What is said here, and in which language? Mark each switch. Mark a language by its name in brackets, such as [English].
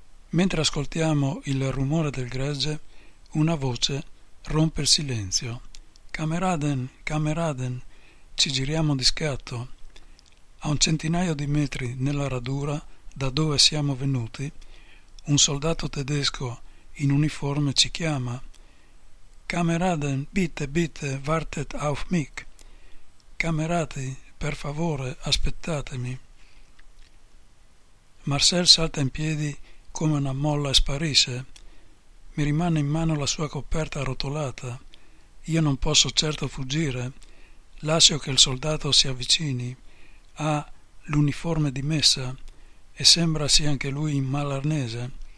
[Italian] Mentre ascoltiamo il rumore del gregge, una voce rompe il silenzio. [German] «Kameraden, kameraden!» [Italian] Ci giriamo di scatto. A un centinaio di metri nella radura da dove siamo venuti, un soldato tedesco in uniforme ci chiama. [German] «Kameraden, bitte, bitte, wartet auf mich!» [Italian] «Camerati, per favore, aspettatemi!» Marcel salta in piedi come una molla e sparisce. Mi rimane in mano la sua coperta arrotolata. Io non posso certo fuggire. Lascio che il soldato si avvicini. Ha l'uniforme dimessa e sembra sia anche lui in malarnese.